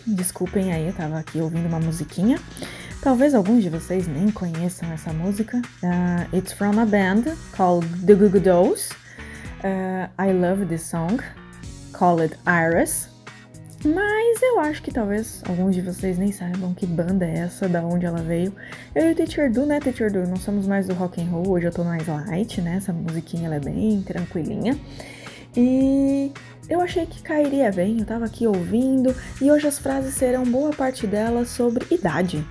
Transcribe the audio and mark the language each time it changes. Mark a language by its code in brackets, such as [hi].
[pt] Desculpem aí, eu tava aqui ouvindo uma musiquinha. Talvez alguns de vocês nem conheçam essa música. [en] It's from a band called The Goo Goo Dolls. I love this song, called Iris. [pt] Mas eu acho que talvez alguns de vocês nem saibam que banda é essa, da onde ela veio. Eu e o Teacher Du, né, Teacher Du? Não somos mais do rock and roll, hoje eu tô mais light, né? Essa musiquinha ela é bem tranquilinha. E eu achei que cairia bem, eu tava aqui ouvindo, e hoje as frases serão boa parte delas sobre idade.